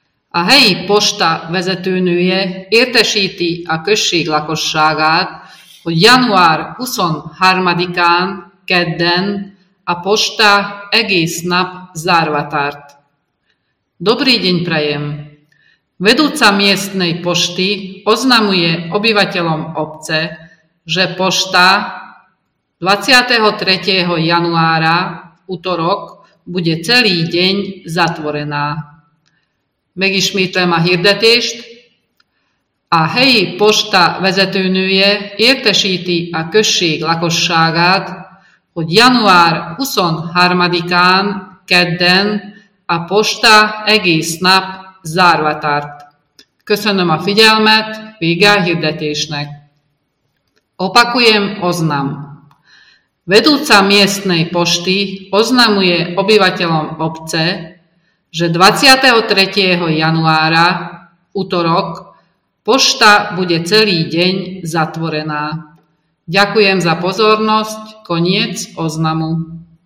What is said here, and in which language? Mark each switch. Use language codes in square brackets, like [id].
[hu] A helyi posta vezetőnője értesíti a község lakosságát, hogy január 23-án, kedden a posta egész nap zárva tart. [sk] Dobrý deň prajem! Vedúca miestnej pošty oznamuje obyvateľom obce, že pošta 23. januára, utorok, bude celý deň zatvorená. [hu] Megismétlem a hirdetést. A helyi posta vezetőnője értesíti a község lakosságát, hogy január 23-án, kedden a posta egész nap zárva tart. Köszönöm a figyelmet, vége a hirdetésnek. [sk] Opakujem oznam. Vedúca miestnej pošty oznamuje obyvateľom obce, že 23. januára, utorok, pošta bude celý deň zatvorená. Ďakujem za pozornosť, koniec oznamu.